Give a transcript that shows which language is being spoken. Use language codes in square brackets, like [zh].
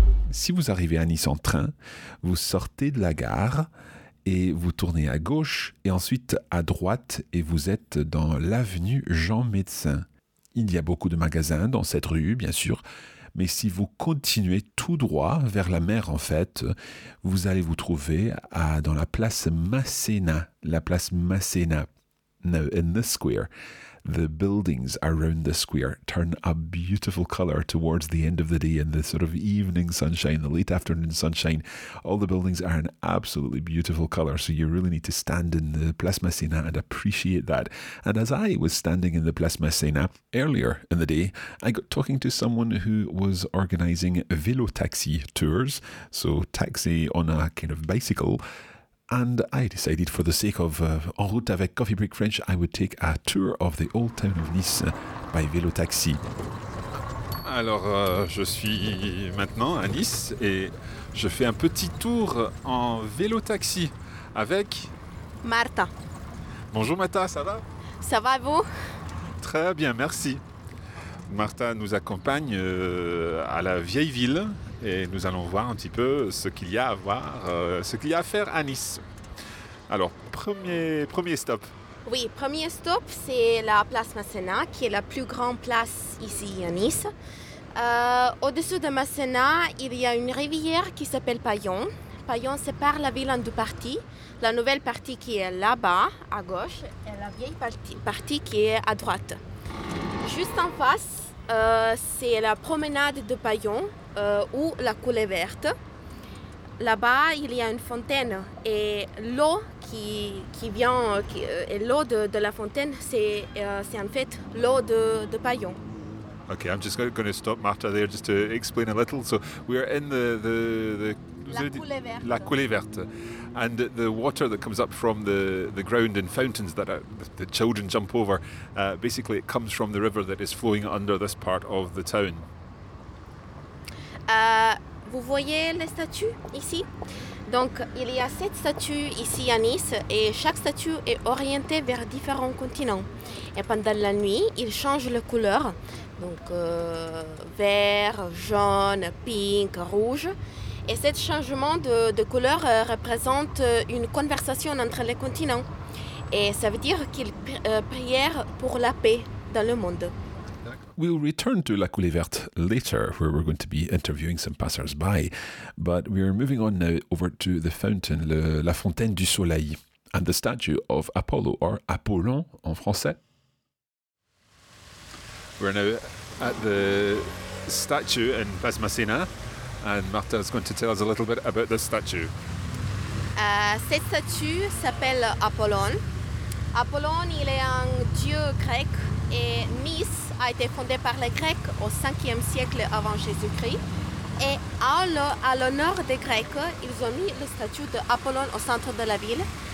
[fr] Si vous arrivez à Nice en train, vous sortez de la gare et vous tournez à gauche et ensuite à droite et vous êtes dans l'avenue Jean Médecin. Il y a beaucoup de magasins dans cette rue, bien sûr, mais si vous continuez tout droit vers la mer, en fait, vous allez vous trouver dans la place Masséna. La place Masséna. [en] Now, in this square, the buildings around the square turn a beautiful color towards the end of the day in the sort of evening sunshine, the late afternoon sunshine. All the buildings are an absolutely beautiful color, so you really need to stand in the Place Masséna and appreciate that. And as I was standing in the Place Masséna earlier in the day, I got talking to someone who was organizing vélo taxi tours, so taxi on a kind of bicycle. And I decided for the sake of En Route avec Coffee Break French, I would take a tour of the old town of Nice by vélo taxi. [fr] Alors, je suis maintenant à Nice et je fais un petit tour en vélo taxi avec... Martha. Bonjour Martha, ça va? Ça va, vous? Très bien, merci. Martha nous accompagne à la vieille ville. Et nous allons voir un petit peu ce qu'il y a à voir, ce qu'il y a à faire à Nice. Alors, premier stop. Oui, premier stop, c'est la place Masséna, qui est la plus grande place ici à Nice. Au-dessous de Masséna, il y a une rivière qui s'appelle Paillon. Paillon sépare la ville en deux parties. La nouvelle partie qui est là-bas, à gauche, et la vieille partie qui est à droite. Juste en face, c'est la promenade de Paillon. Ou la coulée verte. Là-bas, il y a une fontaine et l'eau qui vient, et l'eau de la fontaine, c'est en fait l'eau de Paillon. [en] Okay, I'm just going to stop Martha there just to explain a little. So we are in the [fr] La coulée verte. La coulée verte. [en] And the water that comes up from the ground and fountains that the children jump over, basically it comes from the river that is flowing under this part of the town. [fr] Vous voyez les statues ici? Donc il y a 7 statues ici à Nice et chaque statue est orientée vers différents continents. Et pendant la nuit, ils changent la couleur. Donc vert, jaune, pink, rouge. Et ce changement de couleur représente une conversation entre les continents. Et ça veut dire qu'ils prièrent pour la paix dans le monde. [en] We'll return to La Coulée Verte later, where we're going to be interviewing some passers-by. But we're moving on now over to the fountain, La Fontaine du Soleil, and the statue of Apollo, or Apollon en français. We're now at the statue in Place Masséna, and Martha is going to tell us a little bit about this statue. [fr] Cette statue s'appelle Apollon. Apollon, il est un dieu grec, et Nice a été fondée par les Grecs au 5e siècle avant Jésus-Christ. Et à l'honneur des Grecs, ils ont mis le statue d'Apollon au centre de la ville.